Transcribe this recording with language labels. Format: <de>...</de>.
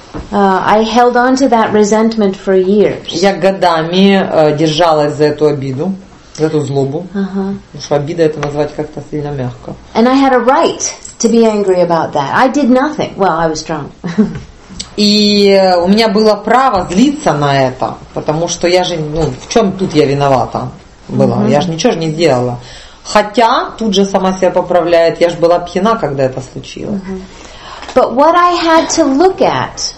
<en>I held on to that resentment for years.</en> <ru>Я годами держалась за эту обиду, за эту злобу. Потому что обида это назвать как-то сильно мягко.</ru> <en>And I had a right to be angry about that. I did nothing. Well, I was drunk.</en> <ru>И у меня было право злиться на это, потому что я же, ну, в чем тут я виновата была? Mm-hmm. Я же ничего же не сделала. Хотя тут же сама себя поправляет, я же была пьяна, когда это случилось. Mm-hmm.</ru> <en>But what I had to look at.</en>